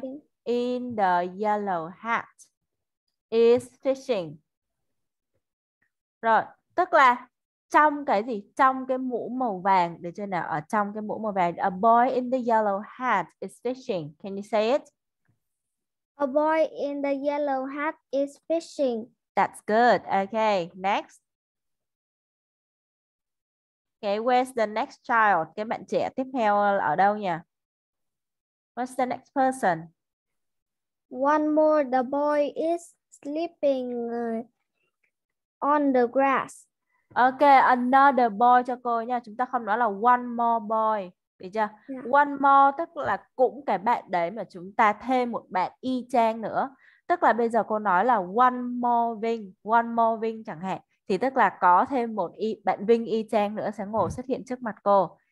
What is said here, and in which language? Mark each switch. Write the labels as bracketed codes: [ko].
[en] fishing. in the yellow hat is fishing. [vi] Rồi, tức là trong cái gì, trong cái mũ màu vàng, để cho nào, ở trong cái mũ màu vàng, [en] a boy in the yellow hat is fishing. Can you say A boy in the yellow hat is fishing. it? That's good. Okay, next. Okay, where's the next child? [vi] Cái bạn trẻ tiếp theo ở đâu nhỉ? [en] Where's the next One more, the boy is sleeping on the grass. person? Okay, another boy [vi] cho cô nha. Chúng ta không nói là [en] one more boy. [vi] Được chưa? One more tức là cũng cái bạn đấy mà chúng ta thêm một bạn y chang nữa. Tức là bây giờ cô nói là one more Vinh. One more Vinh chẳng hạn. Thì tức là có thêm một bạn Vinh y chang nữa sẽ ngồi xuất hiện trước mặt cô.